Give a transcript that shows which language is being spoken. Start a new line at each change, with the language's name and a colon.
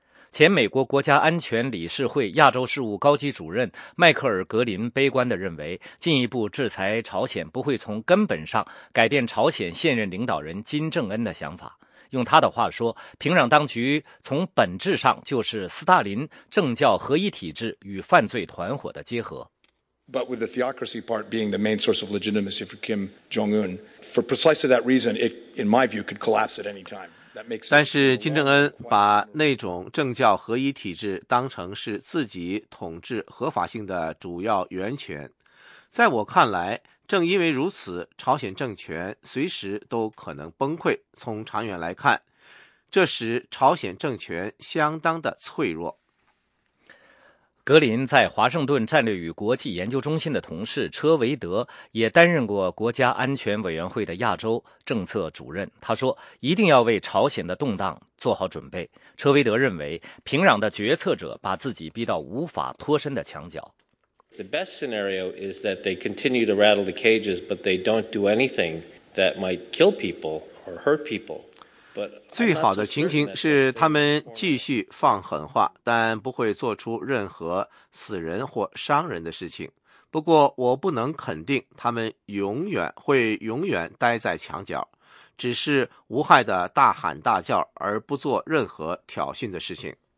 Chinese: 前美国国家安全理事会亚洲事务高级主任迈克尔·格林悲观地认为，进一步制裁朝鲜不会从根本上改变朝鲜现任领导人金正恩的想法。用他的话说，平壤当局从本质上就是斯大林政教合一体制与犯罪团伙的结合。
English: But with the theocracy part being the main source of legitimacy for Kim Jong-un, for precisely that reason, it, in my view, could collapse at any time.
Chinese: 但是金正恩把那种政教合一体制当成是自己统治合法性的主要源泉。在我看来，正因为如此，朝鲜政权随时都可能崩溃。从长远来看，这使朝鲜政权相当的脆弱。格林在华盛顿战略与国际研究中心的同事车维德也担任过国家安全委员会的亚洲政策主任。他说，一定要为朝鲜的动荡做好准备。车维德认为，平壤的决策者把自己逼到无法脱身的墙角。
English: The best scenario is that they continue to rattle the cages, but they don't do anything that might kill people or hurt people.
Chinese: 最好的情形是他们继续放狠话，但不会做出任何死人或伤人的事情。不过我不能肯定他们永远待在墙角，只是无害的大喊大叫而不做任何挑衅的事情。